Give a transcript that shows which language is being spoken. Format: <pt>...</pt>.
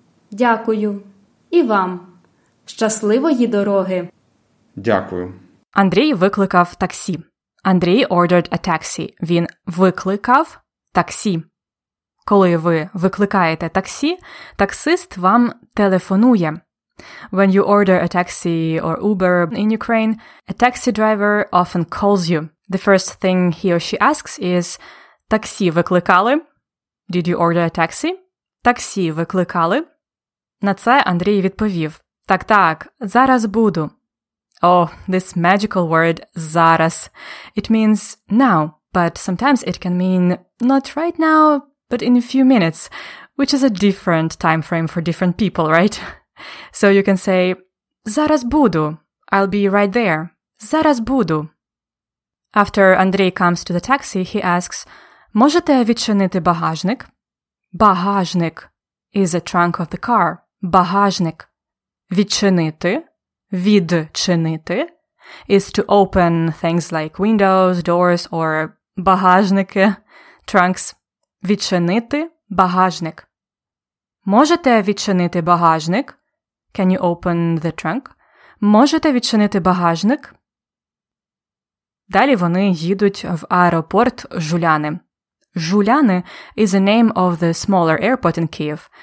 <uk>Дякую. І вам. Щасливої дороги. Дякую. Андрій викликав таксі. Андрій</uk> <en>ordered a taxi.</en> <uk>Він викликав таксі. Коли ви викликаєте таксі, таксист вам телефонує.</uk> <en>When you order a taxi or Uber in Ukraine, a taxi driver often calls you. The first thing he or she asks is,</en> <uk>таксі викликали?</uk> <en>Did you order a taxi?</en> <uk>Таксі викликали? На це Андрій відповів, так, зараз буду.</uk> <en>Oh, this magical word, зараз. It means now, but sometimes it can mean not right now, but in a few minutes, which is a different time frame for different people, right? So you can say,</en> <uk>зараз буду,</uk> <en>I'll be right there, зараз буду. After Андрій comes to the taxi, he asks,</en> <uk>можете відчинити багажник?</uk> <en>Багажник is a trunk of the car, багажник. Відчинити, відчинити is to open things like windows, doors or багажники, trunks.</en> <uk>Відчинити багажник. Можете відчинити багажник?</uk> <en>Can you open the trunk?</en> <uk>Можете відчинити багажник? Далі вони їдуть в аеропорт Жуляни.</uk> <en>Жуляни is the name of the smaller airport in Kyiv.</en>